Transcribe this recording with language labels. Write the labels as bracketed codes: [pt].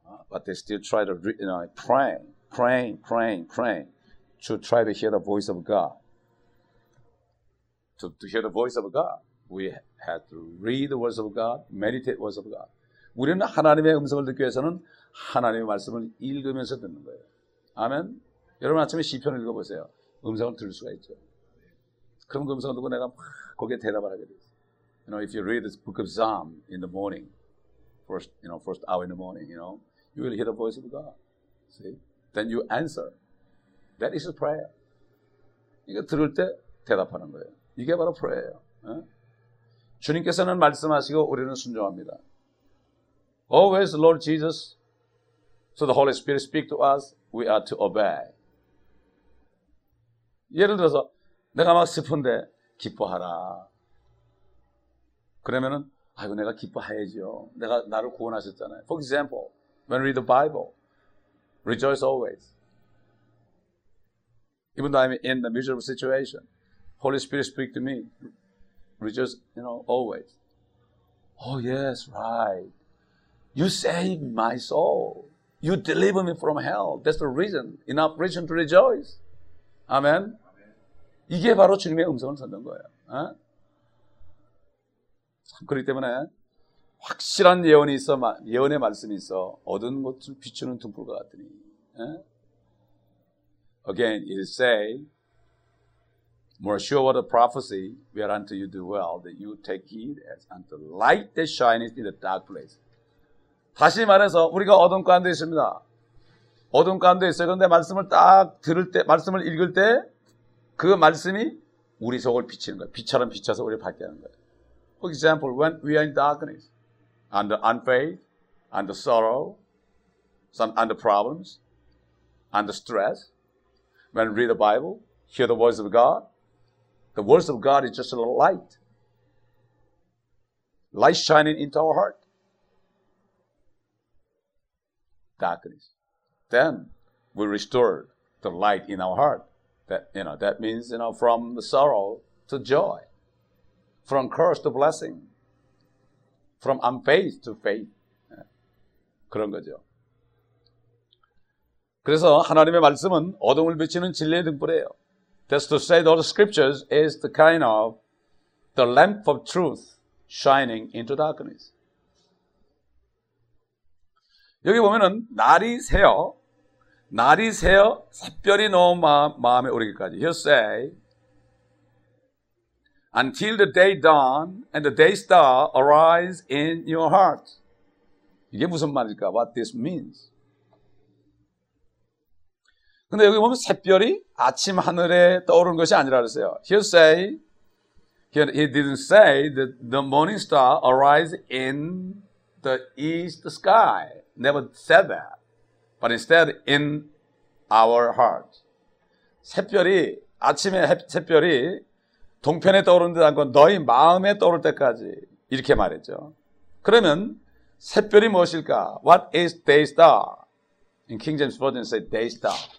[en] but they still try to, you know, praying to try to hear the voice of God. To hear the voice of God, we had to read the words of God, meditate the words of God. [ko] 우리는 하나님의 음성을 듣기 위해서는 하나님의 말씀을 읽으면서 듣는 거예요. 아멘. 여러분 아침에 시편을 읽어보세요. 음성을 들을 수가 있죠. 그럼 그 음성을 듣고 내가 막 거기에 대답을 하게 돼요. [en] You know, if you read this book of Psalm in the morning, first hour in the morning, you know, you will hear the voice of God. See? Then you answer. That is a prayer. [ko] 이거 들을 때 대답하는 거예요. 이게 바로 prayer예요. 어? 주님께서는 말씀하시고 우리는 순종합니다. [en] Always the Lord Jesus, so the Holy Spirit speak to us, we are to obey. [ko] 예를 들어서, 내가 막 슬픈데 기뻐하라. 그러면은, 아이고, 내가 기뻐해야죠. 내가 나를 구원하셨잖아요. [en] For example, when read the Bible, rejoice always. Even though I'm in the miserable situation, Holy Spirit speak to me, rejoice, you know, always. Oh, yes, right. You save my soul. You deliver me from hell. That's the reason, enough reason to rejoice. Amen. [ko] 이게 바로 주님의 음성을 듣는 거예요. 참, 그렇기 때문에 확실한 예언이 있어, 예언의 말씀이 있어 어두운 곳을 비추는 등불과 같더니. 에? [en] Again, it is said, more sure word of prophecy, whereunto you do well, that you take heed as unto light that shines in the dark place. [ko] 다시 말해서 우리가 어둠 가운데 있습니다. 어둠 가운데 있어요. 그런데 말씀을 딱 들을 때, 말씀을 읽을 때 그 말씀이 우리 속을 비치는 거예요. 빛처럼 비춰서 우리를 밝게 하는 거예요. [en] For example, when we are in darkness, under unfaith, under sorrow, some under problems, under stress, when we read the Bible, hear the voice of God, the words of God is just a light. Light shining into our heart. Darkness. Then we restore the light in our heart. That, you know, that means, you know, from the sorrow to joy, from curse to blessing, from unfaith to faith. [ko] 네. 그런 거죠. 그래서 하나님의 말씀은 어둠을 비치는 진리의 등불이에요. [en] That's to say that all the scriptures is the kind of the lamp of truth shining into darkness. [ko] 여기 보면은 날이 새어 날이 새어 샛별이 넣은 마음에 오르기까지 [en] He'll say Until the day dawn and the day star arise in your heart. [ko] 이게 무슨 말일까? [en] What this means? [ko] 근데 여기 보면 샛별이 아침 하늘에 떠오른 것이 아니라 그랬어요. [en] He'll say He didn't say that the morning star arise in the east sky. Never said that. But instead, in our heart. [ko] 샛별이, 아침에 샛별이 동편에 떠오르는 듯한 건 너희 마음에 떠오를 때까지. 이렇게 말했죠. 그러면 샛별이 무엇일까? [en] What is day star? In King James Version, say day star.